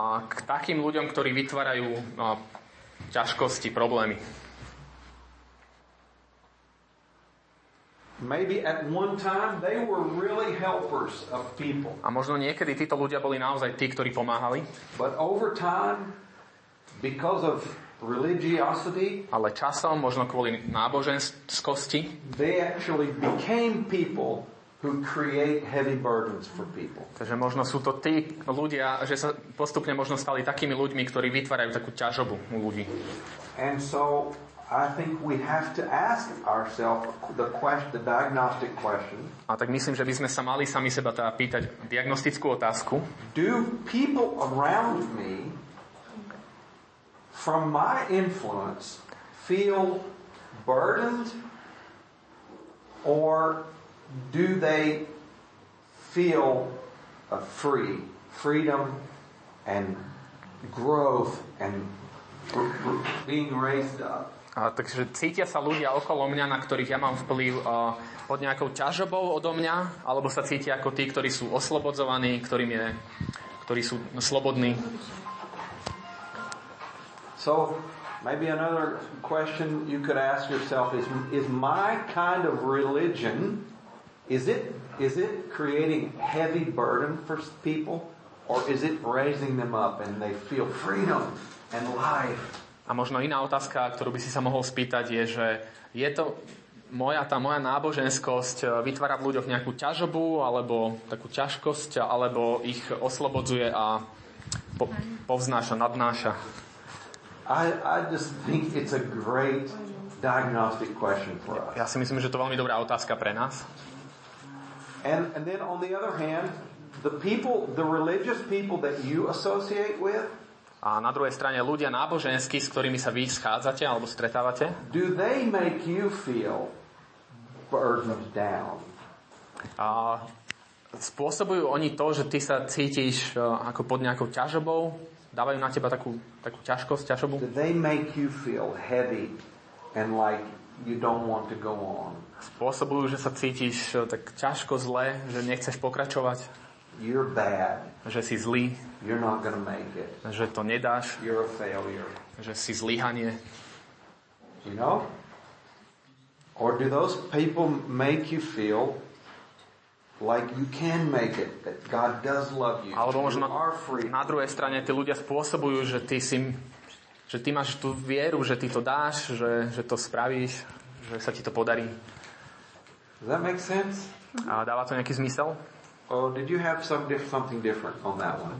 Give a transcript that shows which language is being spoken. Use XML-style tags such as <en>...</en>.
<sk>K takým ľuďom, ktorí vytvárajú ťažkosti, problémy.</sk> <en>Maybe at one time they were really helpers of people.</en> <sk>A možno niekedy títo ľudia boli naozaj tí, ktorí pomáhali.</sk> <en>But over time, because of religiosity,</en> <sk>ale časom, možno kvôli náboženskosti,</sk> <en>they actually became people who create heavy burdens for people.</en> <sk>Takže možno sú to tí ľudia, že sa postupne možno stali takými ľuďmi, ktorí vytvárajú takú ťažobu u ľudí.</sk> <en>And so I think we have to ask ourselves the question, the diagnostic question.</en> <sk>A tak myslím, že by sme sa mali sami seba teda pýtať diagnostickú otázku.</sk> <en>Do people around me from my influence feel burdened or do they feel a freedom and growth and being raised up?</en> <sk>Takže cítia sa ľudia okolo mňa, na ktorých ja mám vplyv pod nejakou ťažobou odo mňa, alebo sa cítia ako tí, ktorí sú oslobodzovaní, ktorí sú slobodní.</sk> <en>So, maybe another question you could ask yourself is my kind of religion, is it creating heavy burden for people, or is it raising them up and they feel freedom and life?</en> <sk>A možno iná otázka, ktorú by si sa mohol spýtať, je, že je to moja náboženskosť vytvára v ľuďoch nejakú ťažobu alebo takú ťažkosť, alebo ich oslobodzuje a povznáša, nadnáša.</sk> <en>I just think it's a great diagnostic question for us.</en> <sk>Ja si myslím, že to je veľmi dobrá otázka pre nás.</sk> <en>And then on the other hand, the people, the religious people that you associate with,</en> <sk>a na druhej strane ľudia náboženskí, s ktorými sa vy schádzate alebo stretávate,</sk> <en>do they make you feel burdened down?</en> <sk>A spôsobujú oni to, že ty sa cítiš ako pod nejakou ťažobou? Dávajú na teba takú ťažkosť, ťažobu?</sk> <en>Do they make you feel heavy and like you don't want to go on?</en> <sk>Spôsobujú, že sa cítiš tak ťažko, zle, že nechceš pokračovať?</sk> <en>You're bad.</en> <sk>Že si zlý.</sk> <en>You're not gonna make it.</en> <sk>Že to nedáš.</sk> <en>You're a failure.</en> <sk>Že si zlyhanie.</sk> <en>You know? Or do those people make you feel like you can make it, that God does love you?</en> <sk>Alebo možno na druhej strane tí ľudia spôsobujú, že ty máš tú vieru, že ty to dáš, že to spravíš, že sa ti to podarí.</sk> <en>Does that make sense?</en> <sk>A dáva to nejaký zmysel?</sk> <en>Or did you have something different on that one?</en>